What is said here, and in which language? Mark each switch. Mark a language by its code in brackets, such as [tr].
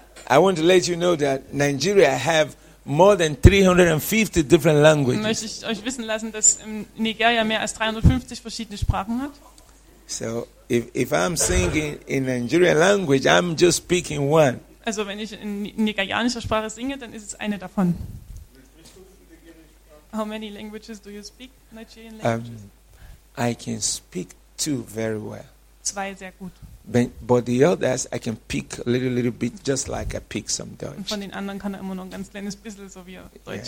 [en] I want to let you know that Nigeria have more than 350 different languages. [de] Möchte ich euch wissen lassen, dass Nigeria mehr als 350 verschiedene Sprachen hat. [en] So, if I'm singing in Nigerian language, I'm just speaking one. [de] Also, wenn ich in nigerianischer Sprache singe, dann ist es eine davon. [en] How many languages do you speak, Nigerian languages? I can speak two very well. [de] Zwei sehr gut. [en] But the others, I can pick a little bit, just like I pick some Deutsch. [de] Und von den anderen kann er immer noch ein ganz kleines bisschen, so wie er Deutsch